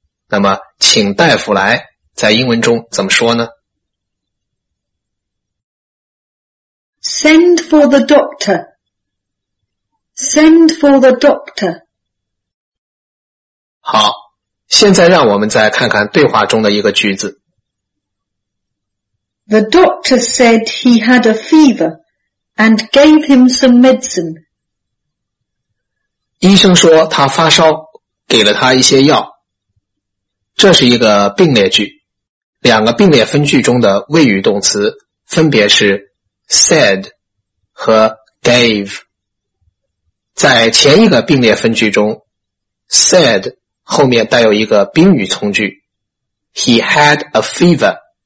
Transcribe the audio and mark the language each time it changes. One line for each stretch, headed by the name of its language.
Chinese: 那么请大夫来在英文中怎么说呢？
English: Send for the doctor. Send for the doctor.
Chinese: 好，现在让我们再看看对话中的一个句子。
English: The doctor said he had a fever and gave him some medicine.
Chinese: 医生说他发烧，给了他一些药。这是一个并列句，两个并列分句中的谓语动词分别是 said 和 gave。在前一个并列分句中， said 后面带有一个宾语从句，
English: He had a fever。